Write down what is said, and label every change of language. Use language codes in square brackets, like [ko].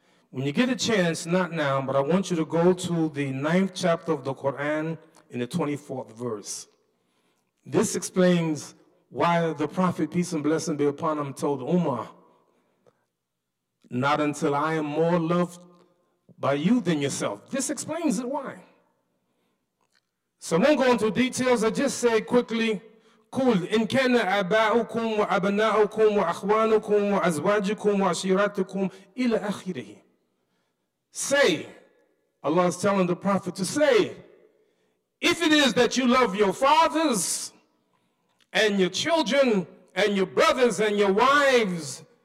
[en] When you get a chance, not now, but I want you to go to the 9th chapter of the Quran in the 24th verse. This explains why the Prophet, peace and blessing be upon him, told Umar, not until I am more loved by you than yourself. This explains it why. So I won't go into details. I just say quickly, [ar] قُلْ إِنْ كَانَ أَبَاؤُكُمْ وَأَبَنَاؤُكُمْ وَأَخْوَانُكُمْ وَأَزْوَاجُكُمْ وَأَشِيرَتُكُمْ إِلَى أَخِرِهِ. [en] Say, Allah is telling the Prophet to say, if it is that you love your fathers, and your children, and your brothers, and your wives,